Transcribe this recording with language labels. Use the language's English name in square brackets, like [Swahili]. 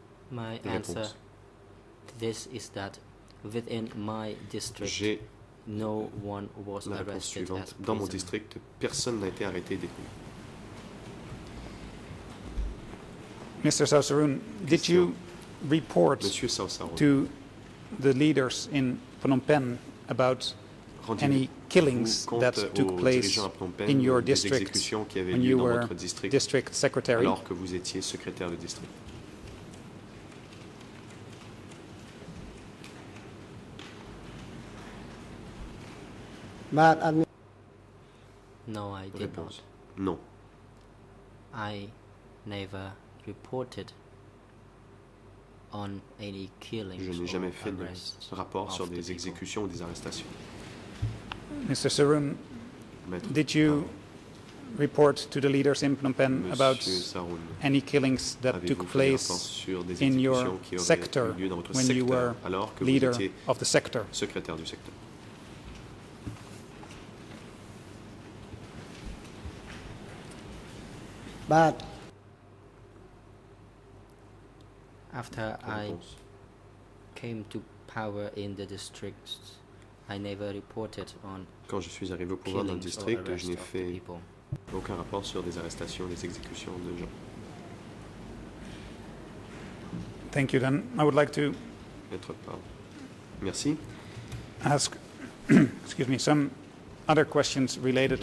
[English] my answer to this is that within my district, no one was arrested. [French] Dans mon district, personne n'a été arrêté et détenu. [English] Mr. Sausrun, did you report to the leaders in Phnom Penh about any killings that took place in your district when you were district secretary? [French] Alors que vous étiez secrétaire de district. [English] No, I did not. No. I never reported on any killings. [French] Je n'ai jamais fait de rapport sur des exécutions ou des arrestations. [English] Mr. Sausrun, did you report to the leaders in Phnom Penh about any killings that took place in your sector when you were leader of the sector? [French] Secrétaire du secteur. [English] But after I came to power in the district, I never reported on. [French] Quand je suis arrivé au pouvoir dans le district, je n'ai fait aucun rapport sur des arrestations, des exécutions de gens. [English] Thank you. Then I would like to. [French] Être pas. Merci. [English] Ask, excuse me, some other questions related